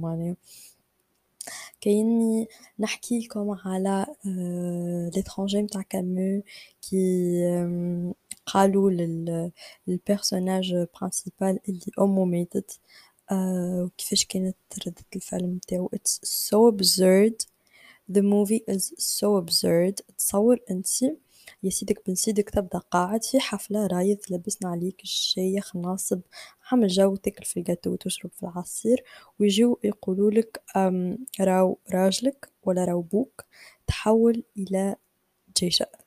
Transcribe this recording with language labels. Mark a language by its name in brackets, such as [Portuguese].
[Arabic] يعني كأني نحكي لكم على ليترانجي متاع كامو كي قالوا للبيرسوناج برانسيبال اللي أمه ماتت وكيفاش كانت ردة الفعل متاعو. [English] It's so absurd, the movie is so absurd. [Arabic] تصور انتي يا سيدك بن سيدك تبدا قاعد في حفلة رايض, لبسنا عليك الشيخ ناصب, عمل جو, تاكل في الجاتو وتشرب في العصير, ويجيو يقولوا لك راو راجلك ولا راو بوك تحول الى جيشة.